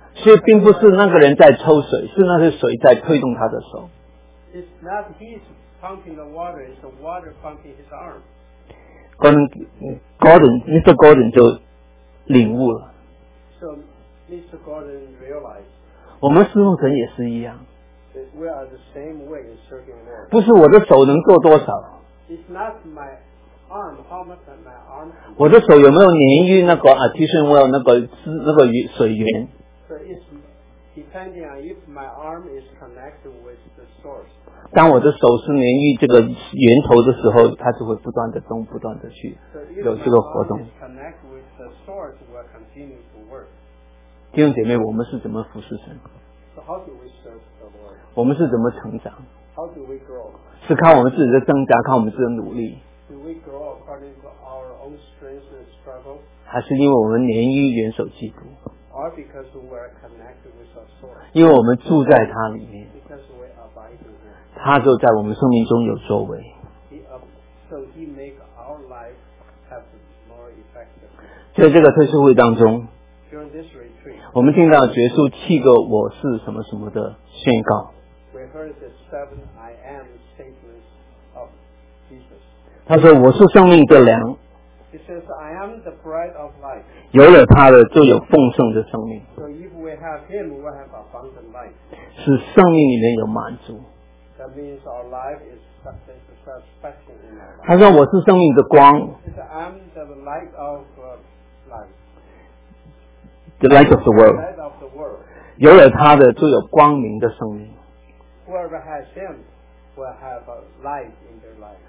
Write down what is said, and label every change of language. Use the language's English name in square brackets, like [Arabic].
[Chinese] 所以并不是那个人在抽水，是那些水在推动他的手。 [English] It's not he's pumping the water; it's the water pumping his arm. [Chinese] Mr. Gordon 就领悟了。 [English] So Mr. Gordon realized. [Chinese] 我们侍奉神也是一样。 [English] We are the same way in serving Lord. [Chinese] 不是我的手能做多少。 [English] It's not my arm. How much am I? [Chinese] 我的手有没有粘于那个 artesian well 那个水源？ [English] So、 [Chinese] 当我的手是粘于这个源头的时候，它就会不断的动，不断的去有这个活动。弟兄姐妹，我们是怎么服侍神？ [English] So、how do we serve the [Chinese] Lord? 我们是怎么成长？ [English] How do we grow? [Chinese] 是看我们自己的增加，看我们自己的努力。 [English] Do we grow according to our own strength and struggle? [Chinese] 还是因为我们连于元首基督？ [English] Or because we are connected with our soul? [Chinese] 因为我们住在他里面。 [English] Because we abide in him. [Chinese] 他就在我们生命中有作为。 [English] So he make our life have more effective. [Chinese] 在这个特殊会当中， [English] During this retreat, [Chinese] 我们听到结束七个我是什么什么的宣告。 [English] We heard the seven I am statements of Jesus. [Chinese] 他说我是生命的粮， [English] He says, I am the bread of life. [Chinese] 有了他的就有丰盛的生命，是生命里面有满足。 [English] That means our life is satisfaction in our life. [Chinese] 他说我是生命的光， [English] He says, I am the light of life. The light of the world. The light of the world. [Chinese] 有了他的就有光明的生命。 [English] Whoever has him will have a light in their life.